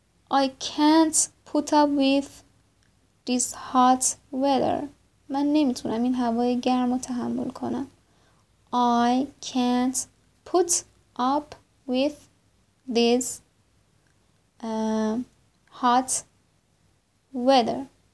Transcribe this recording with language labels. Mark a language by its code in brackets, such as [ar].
[en] I can't put up with this hot weather. [fa] من نمیتونم این هوای گرم رو تحمل کنم. [en] I can't put up with this hot weather.